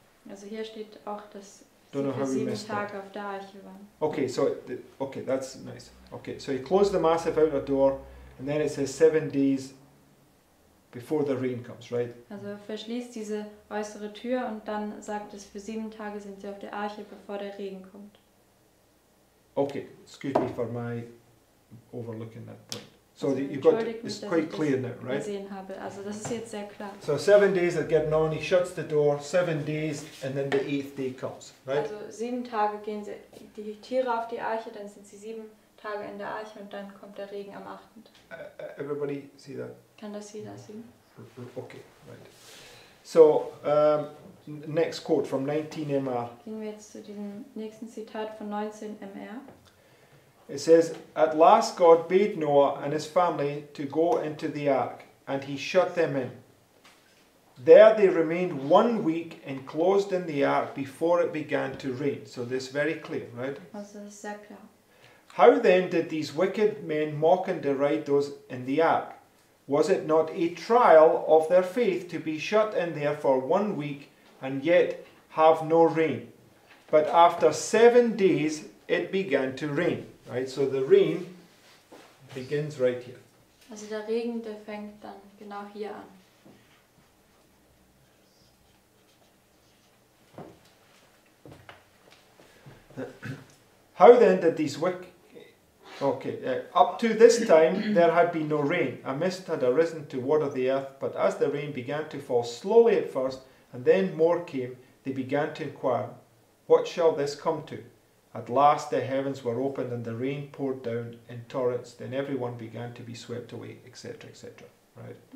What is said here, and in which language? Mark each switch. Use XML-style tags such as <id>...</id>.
<de>Also hier steht auch, dass sie für 7 Tage auf der Arche waren.</de> <en>Okay, so that's nice. Okay, so he closed the massive outer door, and then it says 7 days before the rain comes, right?</en> <de>Also verschließt diese äußere Tür und dann sagt es, für 7 Tage sind sie auf der Arche, bevor der Regen kommt.</de> <en>Okay, excuse me for my overlooking that point. So you've got, it's quite clear now, right?</en> <de>Also das ist jetzt sehr klar.</de> <en>So 7 days at getting on, he shuts the door, 7 days, and then the 8th day comes, right?</en> <de>Also 7 Tage gehen sie, die Tiere auf die Arche, dann sind sie 7 Tage in der Arche und dann kommt der Regen am 8.</de> <en>Everybody see that?</en> <de>Kann das jeder sehen?</de> <en>Okay, right. So, next quote from 19MR.</en> <de>Gehen wir jetzt zu diesem nächsten Zitat von 19MR.</de> <en>It says, at last God bade Noah and his family to go into the ark, and he shut them in. There they remained 1 week enclosed in the ark before it began to rain. So this is very clear, right?</en> <de>Also, das ist sehr klar.</de> <en>How then did these wicked men mock and deride those in the ark? Was it not a trial of their faith to be shut in there for 1 week and yet have no rain? But after 7 days it began to rain. Right, so the rain begins right here.</en> <de>Also der Regen, der fängt dann genau hier an.</de> <en>How then did these up to this time there had been no rain. A mist had arisen to water the earth, but as the rain began to fall slowly at first, and then more came, they began to inquire, what shall this come to? At last the heavens were opened and the rain poured down in torrents, then everyone began to be swept away, etc., etc., right?</en>